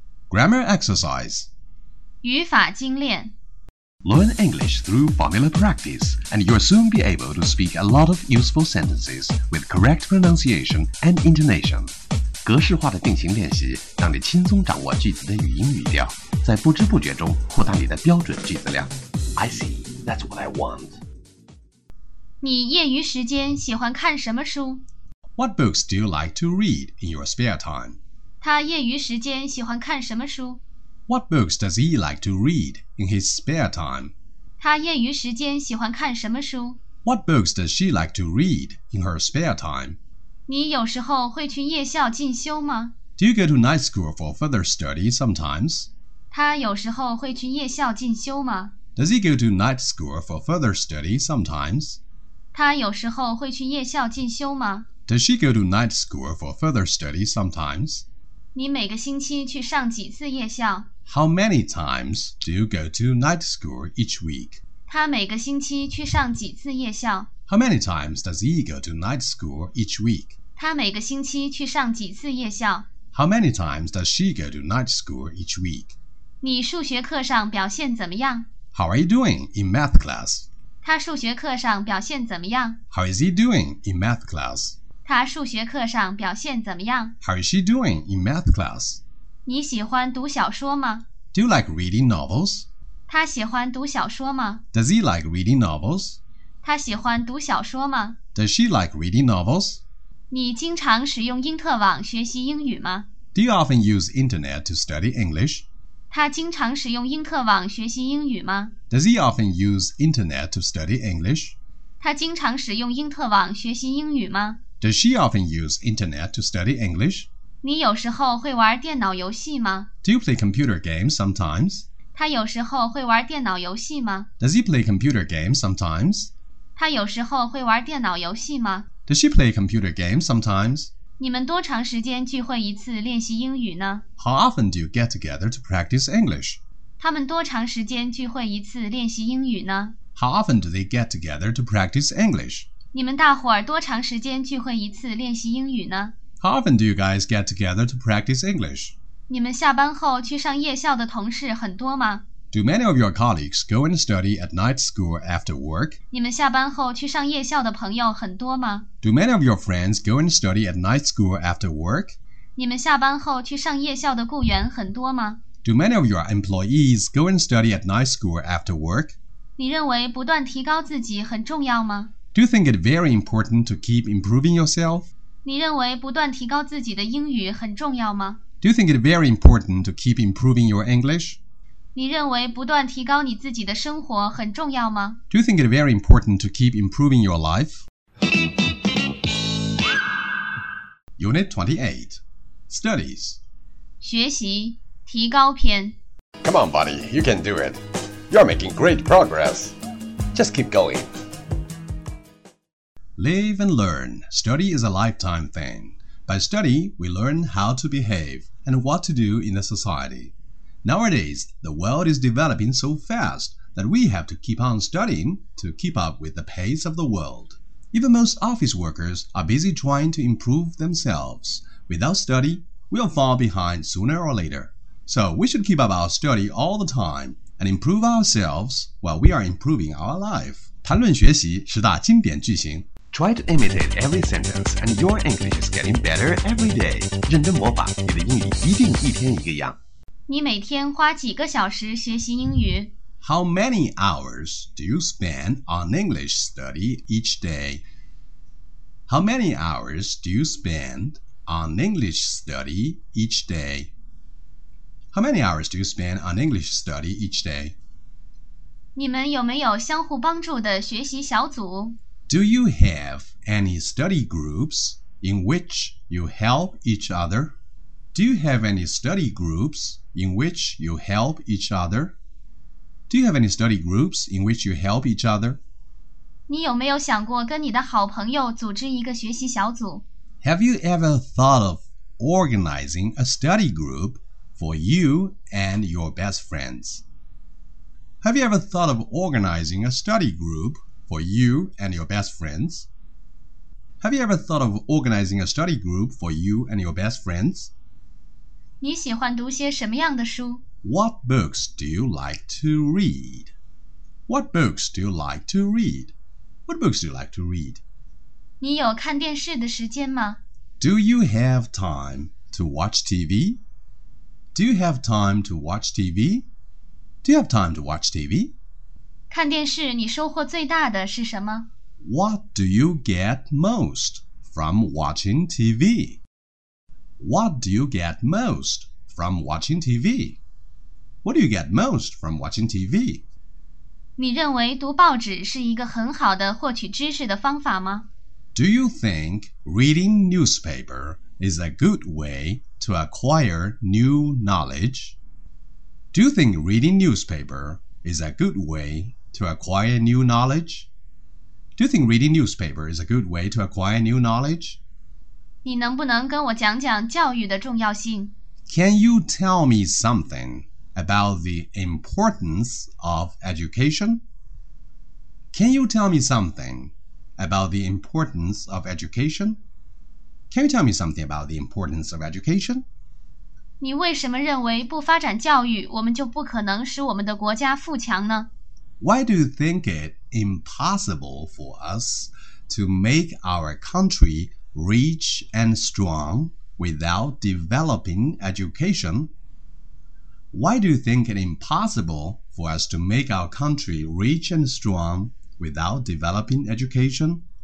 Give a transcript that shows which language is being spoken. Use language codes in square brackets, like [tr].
[en] Grammar exercise. [zh] 语法精炼。 [en] Learn English through formula practice, and you'll soon be able to speak a lot of useful sentences with correct pronunciation and intonation. [zh] 格式化的定型练习让你轻松掌握句子的语音语调，在不知不觉中扩大你的标准句子量。 [en] I see, that's what I want. [zh] 你业余时间喜欢看什么书？ [en] What books do you like to read in your spare time? [zh] 他业余时间喜欢看什么书？ [en] What books does he like to read in his spare time? [zh] 他业余时间喜欢看什么书？ [en] What books does she like to read in her spare time? [zh] 你有时候会去夜校进修吗？ [en] Do you go to night school for further study sometimes? [zh] 他有时候会去夜校进修吗？ [en] Does he go to night school for further study sometimes? [zh] 他有时候会去夜校进修吗？ [en] Does she go to night school for further study sometimes? [zh] 你每个星期去上几次夜校？ [en] How many times do you go to night school each week? [zh] 他每个星期去上几次夜校？ [en] How many times does he go to night school each week? [zh] 他每个星期去上几次夜校？ [en] How many times does she go to night school each week? [zh] 你数学课上表现怎么样？ [en] How are you doing in math class? [zh] 他数学课上表现怎么样？ [en] How is he doing in math class? [zh] 他数学课上表现怎么样？ [en] How is she doing in math class? [zh] 你喜欢读小说吗？ [en] Do you like reading novels? [zh] 他喜欢读小说吗？ [en] Does he like reading novels? [zh] 他喜欢读小说吗？ [en] Does she like reading novels? [zh] 你经常使用因特网学习英语吗？ [en] Do you often use internet to study English? [zh] 他经常使用因特网学习英语吗？ [en] Does he often use internet to study English? [zh] 他经常使用因特网学习英语吗？ [en] Does she often use internet to study English? [zh] 你有时候会玩电脑游戏吗？ [en] Do you play computer games sometimes? [zh] 他有时候会玩电脑游戏吗？ [en] Does he play computer games sometimes? [zh] 他有时候会玩电脑游戏吗？ [en] Does she play computer games sometimes? [zh] 你们多长时间聚会一次练习英语呢？ [en] How often do you get together to practice English? [zh] 他们多长时间聚会一次练习英语呢？ [en] How often do they get together to practice English? [zh] 你们大伙儿多长时间聚会一次练习英语呢？ [en] How often do you guys get together to practice English? [zh] 你们下班后去上夜校的同事很多吗？ [en] Do many of your colleagues go and study at night school after work? [zh] 你们下班后去上夜校的朋友很多吗？ [en] Do many of your friends go and study at night school after work? [zh] 你们下班后去上夜校的雇员很多吗？ [en] Do many of your employees go and study at night school after work? [zh] 你认为不断提高自己很重要吗？ [en] Do you think it very important to keep improving yourself? [zh] 你认为不断提高自己的英语很重要吗？ [en] Do you think it very important to keep improving your English? [zh] 你认为不断提高你自己的生活很重要吗？ [en] Do you think it very important to keep improving your life? Unit 28. Studies. [zh] 学习提高篇。 [en] Come on, buddy. You can do it. You're making great progress. Just keep going. Live and learn. Study is a lifetime thing. By study, we learn how to behave and what to do in the society. Nowadays, the world is developing so fast that we have to keep on studying to keep up with the pace of the world. Even most office workers are busy trying to improve themselves. Without study, we'll fall behind sooner or later. So we should keep up our study all the time and improve ourselves while we are improving our life. [zh] 谈论学习十大经典句型。 [en] Try to imitate every sentence, and your English is getting better every day. [zh] 认真模仿，你的英语一定一天一个样。你每天花几个小时学习英语？ [en] How many hours do you spend on English study each day? How many hours do you spend on English study each day? How many hours do you spend on English study each day? [zh] 你们有没有相互帮助的学习小组？ [en] Do you have any study groups in which you help each other? Do you have any study groups in which you help each other? Do you have any study groups in which you help each other? [zh] 你有没有想过跟你的好朋友组织一个学习小组？ [en] Have you ever thought of organizing a study group for you and your best friends. Have you ever thought of organizing a study group for you and your best friends? Have you ever thought of organizing a study group for you and your best friends? [zh] 你喜欢读些什么样的书? [en] What books do you like to read? What books do you like to read? What books do you like to read? [zh] 你有看电视的时间吗? [en] Do you have time to watch TV? Do you have time to watch TV? Do you have time to watch TV? [zh] 看电视你收获最大的是什么? [en] What do you get most from watching TV? What do you get most from watching TV? What do you get most from watching TV? [zh] 你认为读报纸是一个很好的获取知识的方法吗? [en] Do you think reading newspaper is a good way to acquire new knowledge? Do you think reading newspaper is a good way to acquire new knowledge? Do you think reading newspaper is a good way to acquire new knowledge? [zh] 你能不能跟我讲讲教育的重要性? [en] Can you tell me something? About the importance of education? Can you tell me something about the importance of education? Can you tell me something about the importance of education? [zh] 你为什么认为不发展教育，我们就不可能使我们的国家富强呢? [en] Why do you think it impossible for us to make our country rich and strong without developing education? Why do you think it impossible for us to make our country rich and strong without developing education?